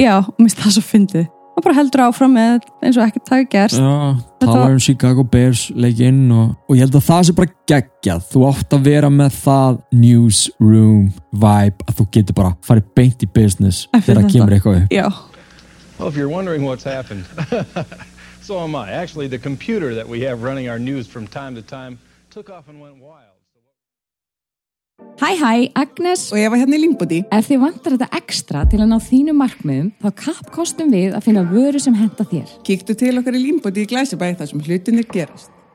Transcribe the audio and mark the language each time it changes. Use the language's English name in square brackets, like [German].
[Icelandic] Já, og misti það svo fyndið. Hann bara heldur áfram með eins og ekkert hafi gerst. Já, talaði það... Chicago Bears leikinn og ég held að það sé bara geggjað. Þú átt að vera með það newsroom vibe að þú getur bara farið beint í business þegar kemur eitthvað upp. Já. [English] Well, if you're wondering what's happened, so am I. Actually, the computer that we have running our news from time to time took off and went wild. [Icelandic] Hæ, hæ, Agnes. Og ég var hérna í Limbody. Ef þið vantar þetta ekstra til að ná þínum markmiðum, þá kappkostum við að finna vöru sem henta þér. Kíktu til okkar í Limbody í Glæsibæði þar sem hlutinir gerast.